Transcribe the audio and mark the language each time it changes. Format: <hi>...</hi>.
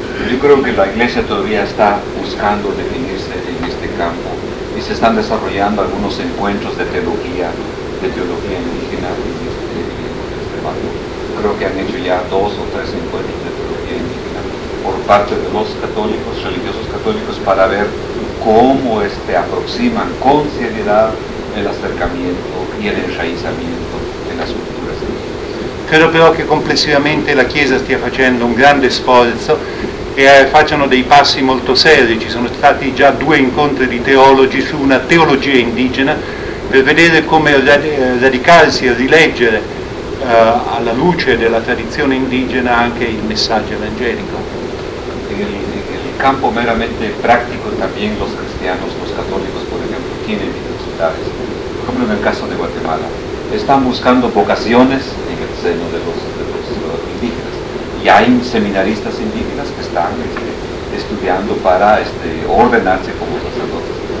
<es>Yo creo que la iglesia todavía está buscando en este campo y se están desarrollando algunos encuentros de teología indígena en este marco. Creo que han hecho ya dos o tres encuentros de teología indígena por parte de los católicos, religiosos católicos, para ver cómo aproximan con seriedad el acercamiento y el enraizamiento en las culturas indígenas.</es> <it>Credo però che complessivamente la Chiesa stia facendo un grande sforzo e facciano dei passi molto seri. Ci sono stati già due incontri di teologi su una teologia indigena per vedere come radicarsi e rileggere alla luce della tradizione indigena anche il messaggio evangelico. Il campo meramente pratico,</it> <es>también los cristianos, los católicos, por ejemplo, tienen dificultades. Por ejemplo, en el caso de Guatemala, están buscando vocaciones en el seno de los indígenas. Y hay seminaristas indígenas que están estudiando para ordenarse como sacerdotes.</es>